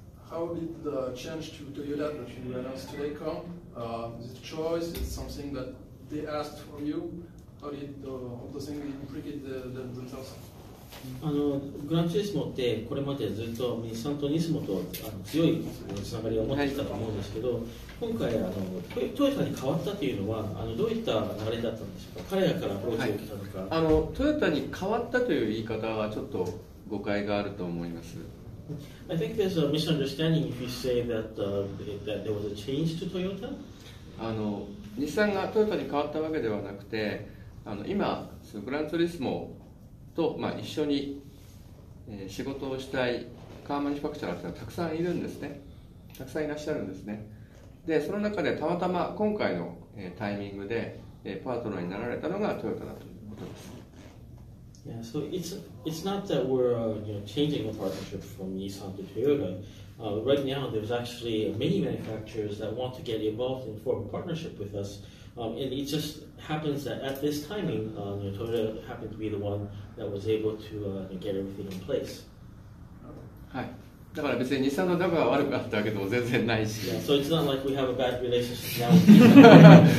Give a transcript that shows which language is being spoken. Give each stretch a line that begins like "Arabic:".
English: How did the change to Toyota that you announced today come? Is it a choice? Is it something that they asked for you? How did all the things implicate the results?
Japanese: グランチュリスモってこれまでずっと日産とニスモと強いつながりを持っていたと思うんですけど、今回トヨタに変わったというのはどういった流れだったんでしょうか？彼らからアプローチを受けたのか、はい、トヨタに変わったという言い方はちょっと誤解があると思います。
English: I think there's a misunderstanding if you say that there was a change to Toyota?
Japanese: 日産がトヨタに変わったわけではなくて、今そのグランチュリスモと、まあ、一緒に、仕事をしたいカーマニファクチャーがたくさんいるんですね。たくさんいらっしゃるんですね。で、その中でたまたま今回の、タイミングで、パートナーになられたのがトヨタだということです。
English: Yeah, so it's not that we're changing the partnership from Nissan to Toyota. Right now, there's actually many manufacturers that want to get involved in form a partnership with us. And it just happens that at this timing, Toyota happened to be the one that was able to get everything in place.
Japanese: はい。だから別に日産の仲が悪かったわけでも全然ないし。
English: Yeah, so it's not like we have a bad relationship now.